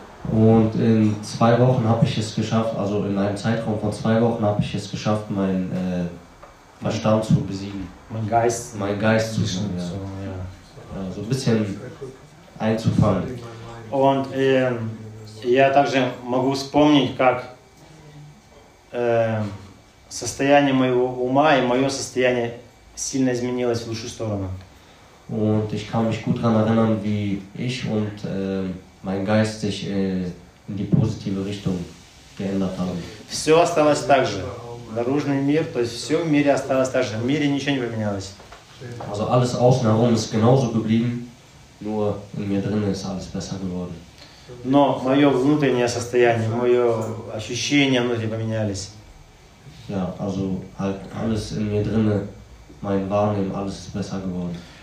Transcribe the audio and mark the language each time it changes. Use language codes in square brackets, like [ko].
[de] Und in 2 Wochen habe ich es geschafft, also in einem Zeitraum von 2 Wochen habe ich es geschafft, meinen Verstand zu besiegen. Mein Geist zu besiegen, ja. So ein bisschen einzufangen. [ru] Und я также могу вспомнить, как состояние моего ума и мое состояние сильно изменилось в лучшую сторону. [de] Und ich kann mich gut daran erinnern, wie ich und mein Geist sich in die positive Richtung geändert haben. [ru] Все осталось так же. Наружный мир, то есть все в мире осталось так же. В мире ничего не поменялось. [de] Also alles außen herum ist genauso geblieben, nur in mir drin ist alles besser geworden. [ru] Но мое внутреннее состояние, мое ощущение внутри поменялись. [de] Ja, also halt alles in mir drin, mein Wahrnehmen, alles ist besser geworden.